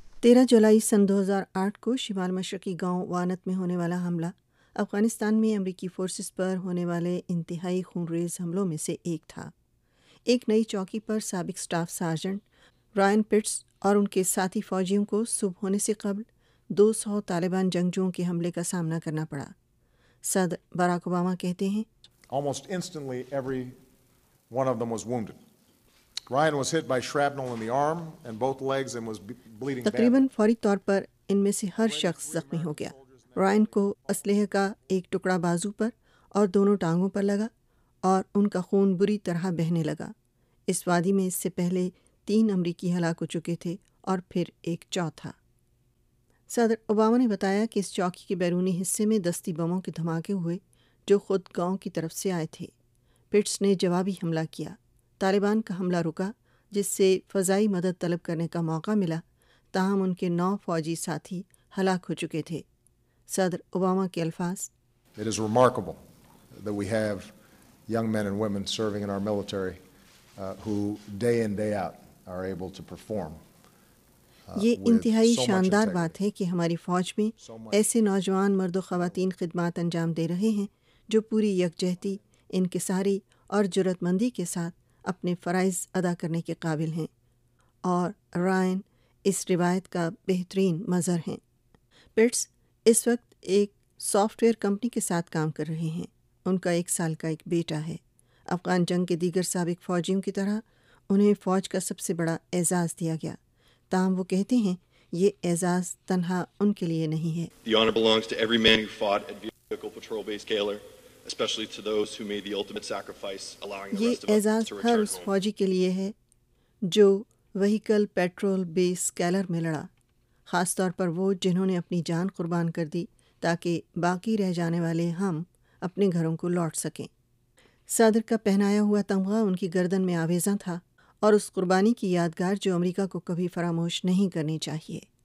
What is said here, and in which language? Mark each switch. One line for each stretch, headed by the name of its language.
Urdu: 13 جولائی 2008 کو شمال مشرقی گاؤں وانت میں ہونے والا حملہ افغانستان میں امریکی فورسز پر ہونے والے انتہائی خونریز حملوں میں سے ایک تھا۔ ایک نئی چوکی پر سابق سٹاف سارجنٹ رائن پٹس اور ان کے ساتھی فوجیوں کو صبح ہونے سے قبل 200 طالبان جنگجوؤں کے حملے کا سامنا کرنا پڑا. صدر باراک اوباما کہتے ہیں
English: Almost instantly every one of them was wounded. Ryan was hit by shrapnel in the arm and both legs and was bleeding.
Urdu: تقریباً فوری طور پر ان میں سے ہر شخص زخمی ہو گیا. رائن کو اسلحے کا ایک ٹکڑا بازو پر اور دونوں ٹانگوں پر لگا اور ان کا خون بری طرح بہنے لگا. اس وادی میں اس سے پہلے 3 امریکی ہلاک ہو چکے تھے اور پھر ایک چوتھا. صدر اوباما نے بتایا کہ اس چوکی کے بیرونی حصے میں دستی بموں کے دھماکے ہوئے جو خود گاؤں کی طرف سے آئے تھے. پٹس نے جوابی حملہ کیا. طالبان کا حملہ رکا جس سے فضائی مدد طلب کرنے کا موقع ملا, تاہم ان کے 9 فوجی ساتھی ہلاک ہو چکے تھے. صدر اوباما کے الفاظ
English: It is remarkable that we have young men and women serving in our military who day in day out are able to perform.
Urdu: یہ انتہائی شاندار بات ہے کہ ہماری فوج میں ایسے نوجوان مرد و خواتین خدمات انجام دے رہے ہیں جو پوری یکجہتی, انکساری اور جرات مندی کے ساتھ اپنے فرائض ادا کرنے کے قابل ہیں, اور رائن اس روایت کا بہترین مظہر ہیں. پٹس اس وقت ایک سافٹ ویئر کمپنی کے ساتھ کام کر رہے ہیں. ان کا 1 سال کا ایک بیٹا ہے. افغان جنگ کے دیگر سابق فوجیوں کی طرح انہیں فوج کا سب سے بڑا اعزاز دیا گیا, تاہم وہ کہتے ہیں یہ اعزاز تنہا ان کے لیے نہیں ہے.
English: The honor belongs to every man who fought at Vehicle Patrol Base Kaler, especially to those who made the ultimate sacrifice allowing the rest of us to return home.
Urdu: یہ اعزاز ہر اس فوجی کے لیے ہے جو وہیکل پیٹرول بیس Keller میں لڑا, خاص طور پر وہ جنہوں نے اپنی جان قربان کر دی تاکہ باقی رہ جانے والے ہم اپنے گھروں کو لوٹ سکیں. صدر کا پہنایا ہوا تمغہ ان کی گردن میں آویزاں تھا, اور اس قربانی کی یادگار جو امریکہ کو کبھی فراموش نہیں کرنی چاہیے.